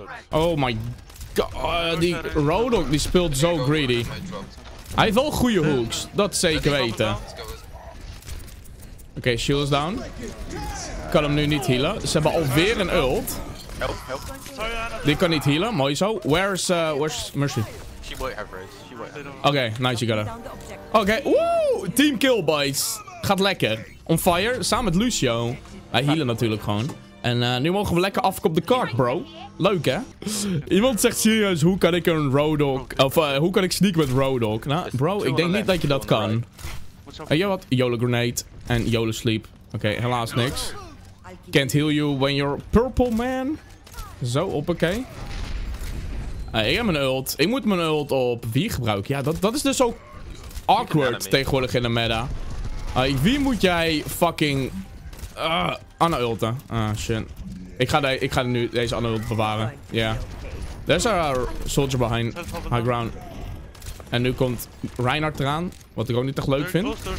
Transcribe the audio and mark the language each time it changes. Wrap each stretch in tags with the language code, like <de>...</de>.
<en>Oh my god,</en> <nl>die Rodok die speelt zo greedy. Hij heeft wel goede hooks, dat zeker weten. Oké,</nl> <en>okay, shield is down.</en> <nl>Ik kan hem nu niet healen. Ze hebben alweer een ult. Help. Die kan niet healen, mooi zo.</nl> <en>Where's Mercy? Oké, okay, nice, you got her.</en> <nl>Oké,</nl> <en>okay, team kill, boys.</en> <nl>Gaat lekker. On fire, samen met Lucio. Wij healen natuurlijk gewoon. En nu mogen we lekker afkomen op de kart, bro. Leuk, hè? Iemand zegt serieus, hoe kan ik een Rodok... Of, hoe kan ik sneak met Rodok? Nou, bro, ik denk niet dat je dat kan. En je wat? YOLO grenade en YOLO sleep. Oké, okay, helaas niks.</nl> <en>Can't heal you when you're purple, man.</en> <nl>Zo, hoppakee. Ik heb mijn ult. Ik moet mijn ult op wie gebruiken. Ja, dat is dus ook awkward tegenwoordig in de meta. Wie moet jij fucking Anna ulten? Ah, shit. Ik ga nu deze Anna ult bewaren. Ja. Yeah.</nl> <en>There's our soldier behind high ground.</en> <nl>En nu komt Reinhardt eraan. Wat ik ook niet echt leuk vind.</nl>